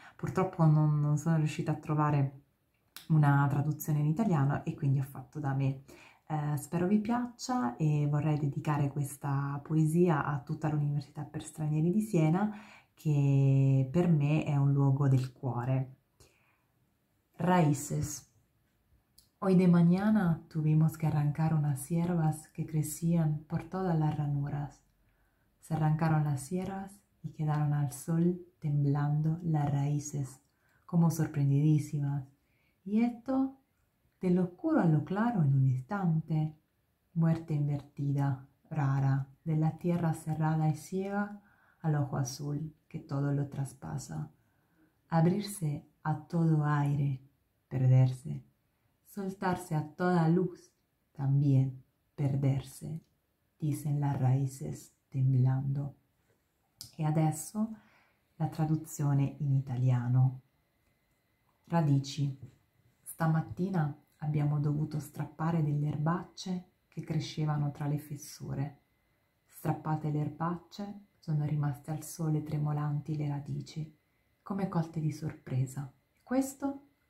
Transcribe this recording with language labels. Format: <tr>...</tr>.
<it>Purtroppo non sono riuscita a trovare una traduzione in italiano e quindi ho fatto da me. Spero vi piaccia e vorrei dedicare questa poesia a tutta l'Università per Stranieri di Siena, che per me è un luogo del cuore.</it> <es>Raíces. Hoy de mañana tuvimos que arrancar unas hierbas que crecían por todas las ranuras. Se arrancaron las hierbas y quedaron al sol temblando las raíces, como sorprendidísimas. Y esto, de lo oscuro a lo claro en un instante, muerte invertida, rara, de la tierra cerrada y ciega al ojo azul que todo lo traspasa. Abrirse a todo aire, perderse. Soltarse a toda luz, también perderse, dicen las raíces temblando.</es> <it>E adesso la traduzione in italiano. Radici. Stamattina abbiamo dovuto strappare delle erbacce che crescevano tra le fessure. Strappate le erbacce, sono rimaste al sole tremolanti le radici, come colte di sorpresa. Questo?</it>